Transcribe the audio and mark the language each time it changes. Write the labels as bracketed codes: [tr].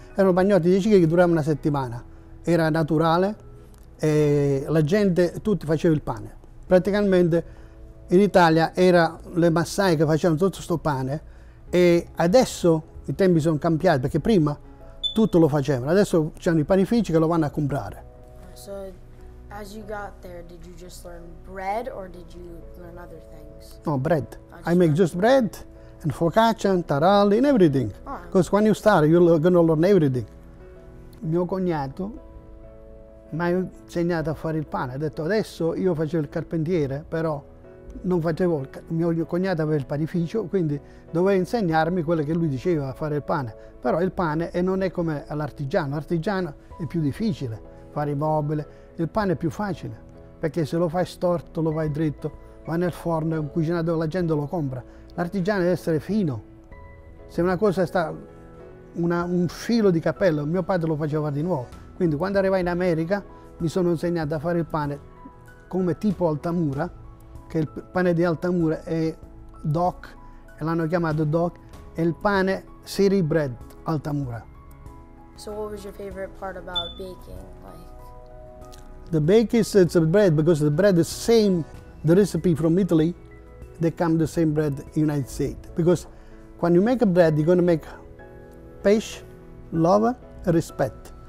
[it] Erano pagnotti di 10 kg che duravano una settimana, era naturale e la gente, tutti facevano il pane. Praticamente in Italia erano le massaie che facevano tutto questo pane e adesso i tempi sono cambiati perché prima tutto lo facevano, adesso c'hanno i panifici che lo vanno a comprare. [en] So as you got there, did you just learn bread or did you learn other things? No, bread. I make just bread and focaccia and tarali and everything. Because when you start you're gonna learn everything. [it] Mio cognato mi ha insegnato a fare il pane, ha detto adesso io facevo il carpentiere, però non facevo, mio cognato aveva il panificio, quindi doveva insegnarmi quello che lui diceva, a fare il pane. Però il pane non è come l'artigiano, l'artigiano è più difficile fare i mobili, il pane è più facile, perché se lo fai storto, lo fai dritto, va nel forno, in cucina dove la gente lo compra. L'artigiano deve essere fino, se una cosa sta un filo di capello, mio padre lo faceva di nuovo. Quindi quando arrivai in America mi sono insegnato a fare il pane come tipo Altamura, che il pane di Altamura è Doc, e l'hanno chiamato Doc, e il pane Siri Bread Altamura. [en] So what was your favorite part about baking? Like? The bake is it's a bread, because the bread is same, the recipe from Italy, they come the same bread in the United States. Because when you make a bread, you're going to make pace, love, and respect.